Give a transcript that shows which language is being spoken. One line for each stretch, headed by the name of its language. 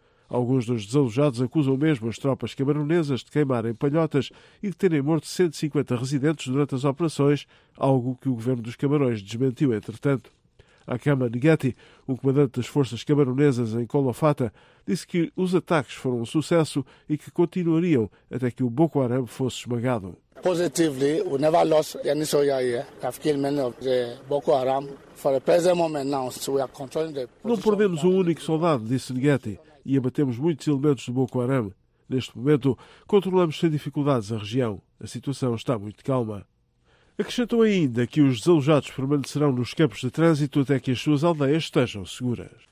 Portuguese: Alguns dos desalojados acusam mesmo as tropas camaronesas de queimarem palhotas e de terem morto 150 residentes durante as operações, algo que o governo dos Camarões desmentiu, entretanto. Akama Negeti, o comandante das forças camaronesas em Kolofata, disse que os ataques foram um sucesso e que continuariam até que o Boko Haram fosse esmagado.
English: Positively, we never lost any soldier here. We have killed many of the Boko Haram. For the present moment now, so we are controlling the position.
Portuguese: Não perdemos um único soldado, disse Negeti, e abatemos muitos elementos do Boko Haram. Neste momento, controlamos sem dificuldades a região. A situação está muito calma. Acrescentou ainda que os desalojados permanecerão nos campos de trânsito até que as suas aldeias estejam seguras.